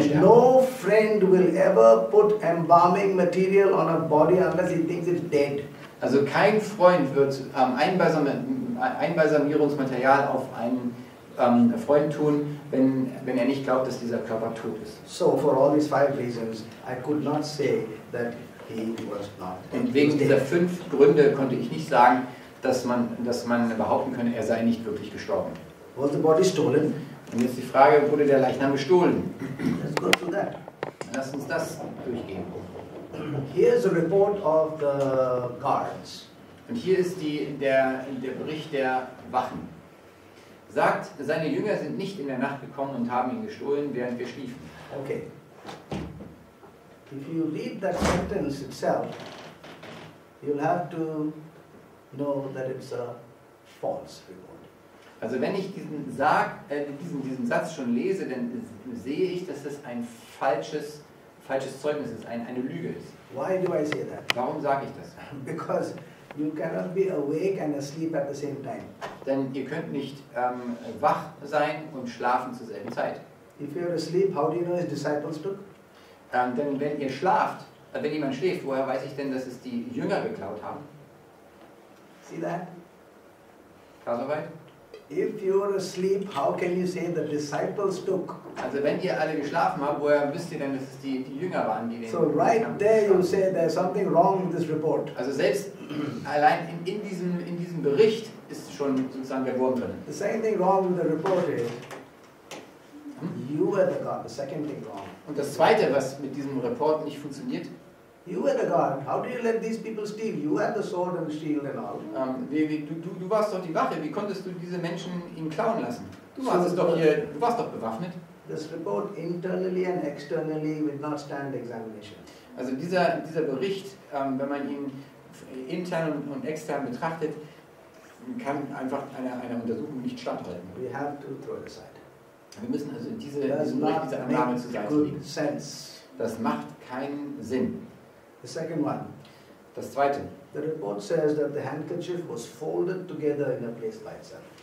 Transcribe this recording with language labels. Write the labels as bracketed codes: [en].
[de] sterben. [en] So no friend will ever put embalming material on a body unless he thinks it's dead. [de] Also kein Freund wird Einbalsamierungsmaterial auf einen Freund tun, wenn er nicht glaubt, dass dieser Körper tot ist. [en] So for all these five reasons, I could not say that. [de] Und wegen dieser fünf Gründe konnte ich nicht sagen, dass man behaupten könne, er sei nicht wirklich gestorben. [en] Was the body stolen? [de] Und jetzt die Frage, wurde der Leichnam gestohlen? [en] Let's go through that. [de] Lass uns das durchgehen. [en] Here's a report of the guards. [de] Und hier ist der Bericht der Wachen. Sagt, seine Jünger sind nicht in der Nacht gekommen und haben ihn gestohlen, während wir schliefen. [en] Okay. If you read that sentence itself, you'll have to know that it's a false report. [de] Also wenn ich diesen Satz schon lese, dann sehe ich, dass es ein falsches Zeugnis ist, eine Lüge ist. [en] Why do I say that? [de] Warum sage ich das? [en] Because you cannot be awake and asleep at the same time. [de] Denn ihr könnt nicht wach sein und schlafen zur selben Zeit. [en] If you're asleep, how do you know his disciples took? [de] Denn wenn ihr schlaft, wenn jemand schläft, woher weiß ich denn, dass es die Jünger geklaut haben? [en] See that? [de] Klar soweit? [en] If you're asleep, how can you say the disciples took? [de] Also wenn ihr alle geschlafen habt, woher wisst ihr denn, dass es die Jünger waren, die den [en] So right [de] haben [en] there [de] geschlafen? [en] You say there's something wrong in this report. [de] Also selbst allein in diesem Bericht ist schon sozusagen der Wurm drin. [en] The same thing wrong with the report is. You were the guard. The second thing wrong. [de] Und das Zweite, was mit diesem Report nicht funktioniert. [en] You were the guard. How did you let these people steal? You had the sword and shield and all. [de] Du warst doch die Wache. Wie konntest du diese Menschen ihn klauen lassen? Du warst es doch hier. Du warst doch bewaffnet. [en] This report internally and externally would not stand examination. [de] Also dieser Bericht, wenn man ihn intern und extern betrachtet, kann einfach einer Untersuchung nicht standhalten. [en] We have to throw it aside. [de] Wir müssen also diese Annahme zur Seite legen. Das macht keinen Sinn. [en] The second one. [de] Das Zweite. [en] The report says that the handkerchief was folded together in a place by itself.